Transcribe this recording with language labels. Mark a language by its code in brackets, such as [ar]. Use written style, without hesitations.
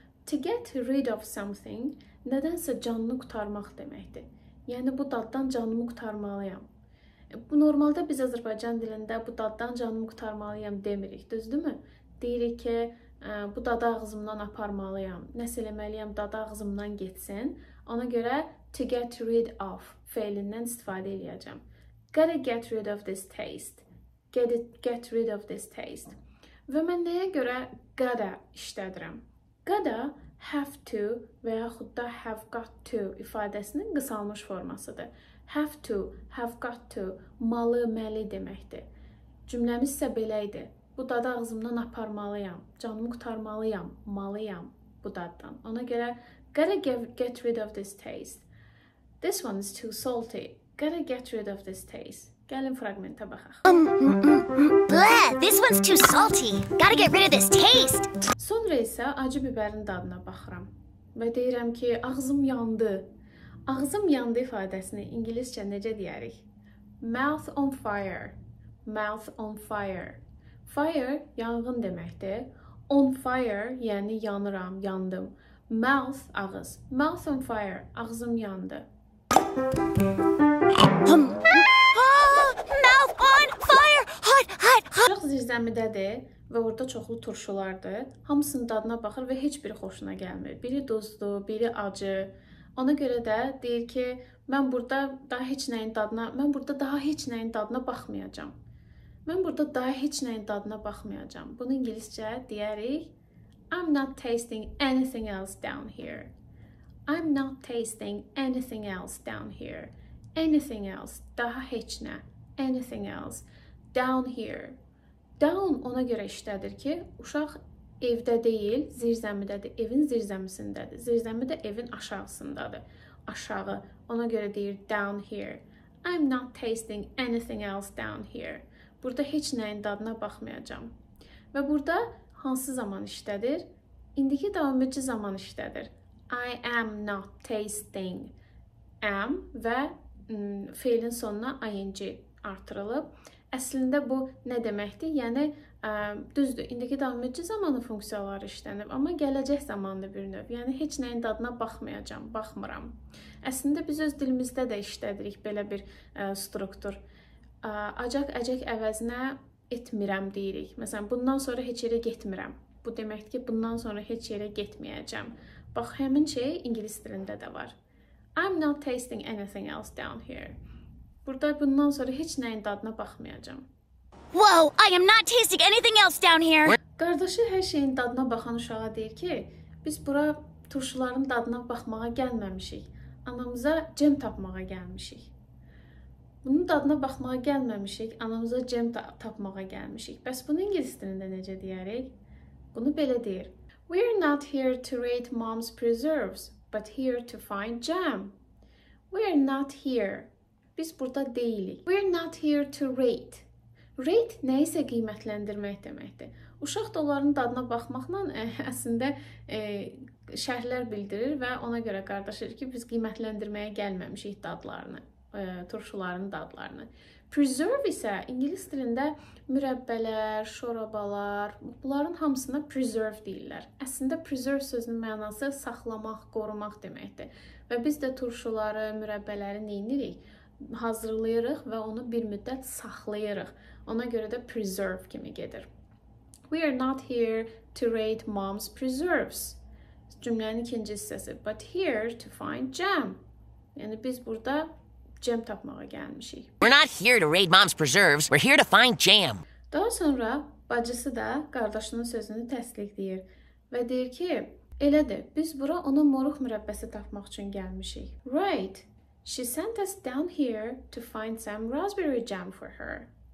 [en] To get rid of something, [az] nədənsə canını qurtarmaq deməkdir. Yəni, bu daddan canımı qurtarmalıyam. Bu, normaldə biz Azərbaycan dilində bu daddan canımı qurtarmalıyam demirik, düzdürmü? Deyirik ki, bu dadı ağzımdan aparmalıyam. Nəsə eləməliyəm, dadı ağzımdan getsin. Ona görə, [en] to get rid of [az] fəilindən istifadə edəcəm. [en] Gotta get rid of this taste. Get rid of this taste. [az] Və mən nəyə görə gotta işlədirəm? [en] Gotta have to [az] və yaxud da [en] have got to [az] ifadəsinin qısalmış formasıdır. [en] Have to, have got to, [az] malı, məli deməkdir. Cümləmiz isə belə idi. Bu dadı ağzımdan aparmalıyam, canımı qurtarmalıyam, malıyam bu daddan. Ona görə, [en] gotta get rid of this taste. This one is too salty. Gotta get rid of this taste. [az] Gəlin fragmentə baxaq. [en] Bleh, this one's too salty. Gotta get rid of this taste. [az] Sonra isə acı biberin dadına baxıram. Və deyirəm ki, ağzım yandı. Ağzım yandı ifadəsini ingiliscə necə deyərik? [en] Mouth on fire. Mouth on fire. [az] Fire yanğın deməkdir. [en] On fire [az] yəni yanıram, yandım. Mouth, ağız. [en] Mouth on fire, [az] ağzım yandı. [en] Mouth on fire, hot. [az] Çox zirzəmidədir və orada çoxlu turşulardır. Hamısının dadına baxır və heç biri xoşuna gəlmir. Biri duzlu, biri acı. Ona görə də deyir ki, mən burada daha heç nəyin dadına baxmayacağam. Bunu ingiliscə deyərik. [en] I'm not tasting anything else down here. I'm not tasting anything else down here. Anything else, [az] daha heç nə. [en] Anything else, down here. [az] Down ona görə işlədir ki, uşaq evdə deyil, zirzəmidədir. Evin zirzəmisindədir. Zirzəmi də evin aşağısındadır. Aşağı. Ona görə deyir, [en] down here. I'm not tasting anything else down here. [az] Burada heç nəyin dadına baxmayacağım. Və burada hansı zaman işlədir? İndiki davamcı zaman işlədir. [en] I am not tasting. [az] Am və fiilin sonuna ing artırılıb. Əslində bu nə deməkdir? Yəni, düzdür, indiki davamcı zamanı funksiyaları işlənib, amma gələcək zamanda bir növ. Yəni, heç nəyin dadına baxmayacağım, baxmıram. Əslində, biz öz dilimizdə də işlədirik belə bir struktur. Acaq əvəzinə etmirəm deyirik. Məsələn, bundan sonra heç yerə getmirəm. Bu deməkdir ki, bundan sonra heç yerə getməyəcəm. Bax, həmin şey ingilis dilində də var. [en] I'm not tasting anything else down here. [az] Burada bundan sonra heç nəyin dadına baxmayacağım. [en] Whoa, I am not tasting anything else down here. [az] Qardaşı hər şeyin dadına baxan uşağa deyir ki, biz bura turşuların dadına baxmağa gəlməmişik. Anamıza cem tapmağa gəlmişik. Bunun dadına baxmağa gəlməmişik, anamıza cem tapmağa gəlmişik. Bəs bunu ingilis dilində necə deyərik? Bunu belə deyir. [en] We are not here to rate mom's preserves, but here to find jam. We are not here. [az] Biz burada deyilik. [en] We are not here to rate. [az] Rate nə isə qiymətləndirmək deməkdir. Uşaq da onların dadına baxmaqla əslində şərhlər bildirir və ona görə qardaşır ki, biz qiymətləndirməyə gəlməmişik dadlarını, turşuların dadlarını. Preserve isə ingilis dilində mürəbbələr, şorabalar, bunların hamısına preserve deyirlər. Əslində preserve sözünün mənası saxlamaq, qorumaq deməkdir. Və biz də turşuları, mürəbbələri neynirik? Hazırlayırıq və onu bir müddət saxlayırıq. Ona görə də preserve kimi gedir. [en] We are not here to rate mom's preserves. [az] Cümlənin ikinci hissəsi. [en] But here to find jam. [az] Yəni, biz burada jam tapmağa gəlmişik. [en] We're not here to rate mom's preserves. We're here to find jam. [az] Daha sonra Bacısı da qardaşının sözünü təsdiqləyir və deyir ki, elədir, biz bura onun moruq mürəbbəsi tapmaq üçün gəlmişik. [en] Right, she sent us down here to find some raspberry jam for her.